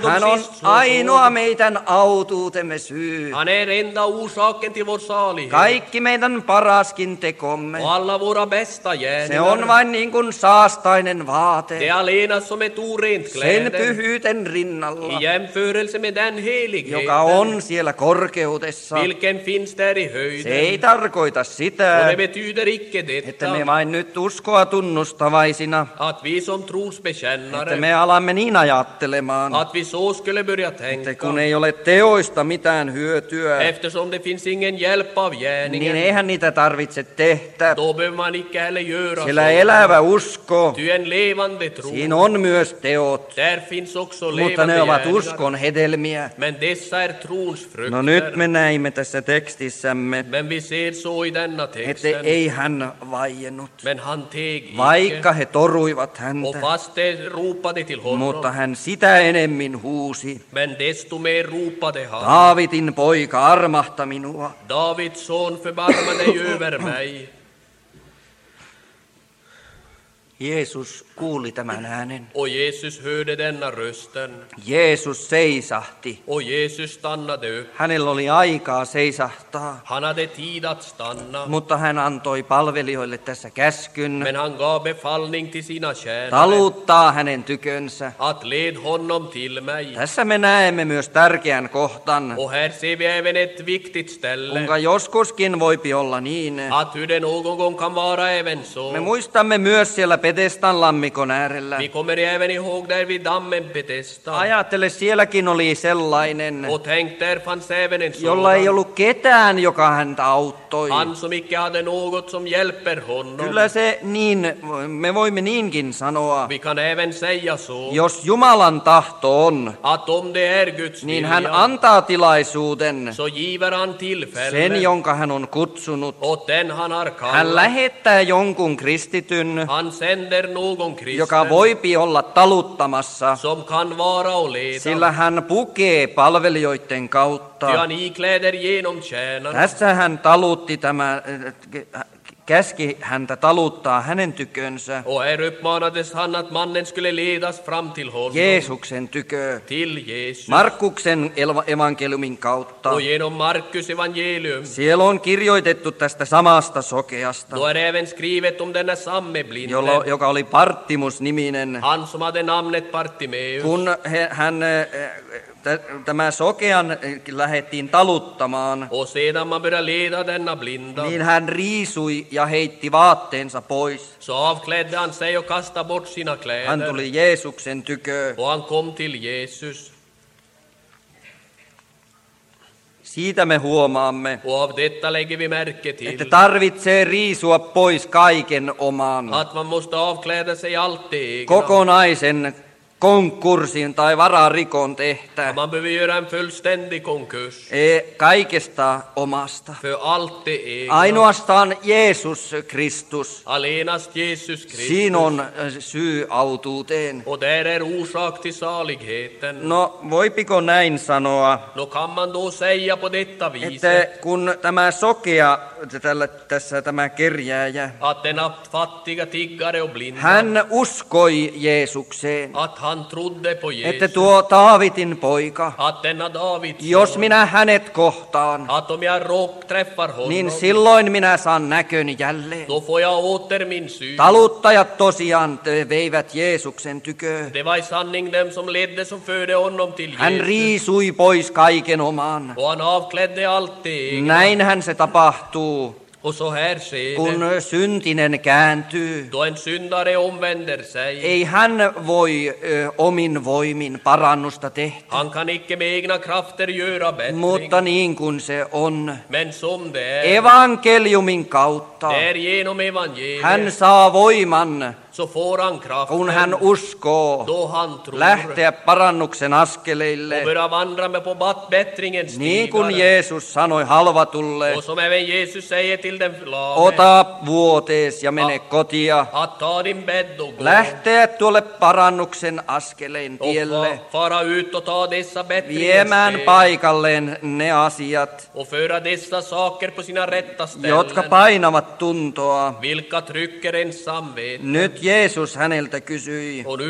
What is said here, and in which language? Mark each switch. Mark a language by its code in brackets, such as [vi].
[fi] hän on ainoa meidän autuutemme syy. [sv] Han är enda orsaken till vår salighet. [fi] Kaikki meidän paraskin tekomme. [sv] Och alla våra bästa gärningar. [fi] Se on vain niin kuin saastainen vaate. [sv] Det allena som är turent kläder. [fi] Sen pyhyyten rinnalla. [sv] I jämförelse med den heligheten. [fi] Joka on siellä korkeudessa. [sv] Vilken finns där i höjden. [fi] Se ei tarkoita sitä. [sv] Och det betyder icke detta. [fi] Että me vain nyt uskoa tunnustavaisina. [sv] Att vi som trosbekännare. [fi] Että me alamme niin ajattelemaan, että kun ei ole teoista mitään hyötyä, [sv] eftersom det finns ingen hjälp av gärningen, [fi] niin eihän niitä tarvitse tehdä. [sv] Då behöver man icke heller göra. [fi] Sillä elävä usko, [sv] ty en levande tro, [fi] siinä on myös teot, [sv] där finns också levande [fi] mutta ne ovat uskon hedelmiä. [sv] Men dessa är trons frukter. [fi] No nyt me näimme tässä tekstissämme, [sv] men vi ser så i denna texten, [fi] että ei hän vaiennut, [sv] men han teg [fi] vaikka he toruivat häntä. [sv] Och fast de ruupade till honom. [fi] Mutta hän sitä enemmin huusi. [sv] Men desto mer ruupade han. [fi] Daavidin poika, armahta minua. [sv] David son, förbarma dig över mig. [fi] Jeesus kuuli tämän äänen. [sv] O Jeesus hörde denna rösten. [fi] Jeesus seisahti. [sv] O Jeesus stannade upp. [fi] Hänellä oli aikaa seisahtaa. [sv] Han hade tid att stanna. [fi] Mutta hän antoi palvelijoille tässä käskyn. [sv] Men han gav befallning till sina tjänare. [fi] Taluttaa hänen tykönsä. [sv] Att led honom till mig. [fi] Tässä me näemme myös tärkeän kohtan. [sv] O här ser vi även ett viktigt ställe. [fi] Kunka joskuskin voipi olla niin. [sv] Att hur det någon gång kan vara även så. [fi] Me muistamme myös siellä Betestan lammikon äärellä. [sv] Vi kommer även ihåg där vid dammen Betesta. [fi] Ajattele, sielläkin oli sellainen, [sv] och tänk, där fanns även en sådan, [fi] jolla ei ollut ketään, joka häntä auttoi. [sv] Han som icke hade något som hjälper honom. [fi] Kyllä se niin, me voimme niinkin sanoa. [sv] Vi kan även säga så. [fi] Jos Jumalan tahto on, [sv] att om det är Guds [fi] niin hän antaa tilaisuuden, [sv] så giver han tillfälle, [fi] sen jonka hän on kutsunut. [sv] Och den han har kallat. [fi] Hän lähettää jonkun kristityn. [sv] Han sender någon kristen, [fi] joka voipi olla taluttamassa, [sv] som kan vara och leda, [fi] sillä hän pukee palvelijoitten kautta. [sv] Ja ni kläder genom tjänarna. [fi] Tässä hän talutti tämä, käski häntä taluttaa hänen tykönsä. [sv] Och här uppmanades han att mannen skulle ledas fram till honom. [fi] Jeesuksen tykö. [sv] Till Jeesus. [fi] Markuksen evankeliumin kautta. [sv] Och genom Markus evangelium. [fi] Siellä on kirjoitettu tästä samasta sokeasta. [sv] Då är även skrivet om denna samme blinde. [fi] Joka oli Bartimus-niminen. [sv] Han som hade namnet Bartimeus. [fi] Kun hän tämä sokean lähettiin taluttamaan. [sv] Sedan man började leda denna blinda. [fi] Niin hän riisui ja heitti vaatteensa pois. [sv] Så avklädde han sig och kastade bort sina kläder. [fi] Hän tuli Jeesuksen tykö. [sv] Och han kom till Jesus. [fi] Siitä me huomaamme, [sv] och av detta lägger vi märke till, [fi] että tarvitsee riisua pois kaiken oman. [sv] Att man måste avkläda sig allt egna. [fi] Kokonaisen konkurssin tai vararikon tehtä. [sv] Man behöver göra en fullständig konkurs. [fi] Kaikesta omasta. [sv] För allt det egna. [fi] Ainoastaan Jeesus Kristus. [sv] Allenast Jeesus Kristus. [fi] Siin on syy autuuteen. [sv] Och där är orsak till saligheten. [fi] No, voipiko näin sanoa? [sv] No, kan man då säga på detta viset? [fi] Että kun tämä sokea, tässä tämä kerjääjä, [sv] att denna fattiga tiggare och blinda, [fi] hän uskoi Jeesukseen. [sv] Att han trodde på Jeesus. [fi] Että tuo Daavidin poika. [sv] Att denna David. [fi] Jos minä hänet kohtaan. [sv] Att om jag träffar honom. [fi] Niin silloin minä saan näköni jälleen. [sv] Då får jag åter min syn. [fi] Taluttajat tosiaan veivät Jeesuksen tykö. [sv] Det var sanning dem som ledde som förde honom till Jesus. [fi] Hän riisui pois kaiken oman. [sv] Och han avklädde allt eget. [fi] Näin hän se tapahtuu. [sv] Och så här ser [fi] kun syntinen kääntyy, [sv] då en syndare omvänder sig, [fi] ei hän voi omin voimin parannusta tehdä. [sv] Han kan icke med egna krafter göra bättring. [fi] Mutta niin kuin se on, [sv] men som det är, [fi] evankeliumin kautta, [sv] det är genom evangeliet, [fi] hän saa voiman, [sv] så får han kraften, [fi] kun hän uskoo, [sv] då han tror, [fi] lähteä parannuksen askeleille, [sv] och börja vandra med på bättringen stigar, [fi] niin kuin Jeesus sanoi halvatulle, [sv] och som även Jesus säger till den flamen, [fi] ota vuotees ja mene kotia, [sv] ta din bädd och gå, [fi] lähteä tuolle parannuksen askeleen tielle, [sv] och fara ut och ta dessa bättringen, [fi] viemään paikalleen ne asiat, [sv] och föra dessa saker på sina rätta ställen, [fi] jotka painavat tuntoa, [sv] vilka trycker en samveten. [fi] Nyt Jeesus häneltä kysyi,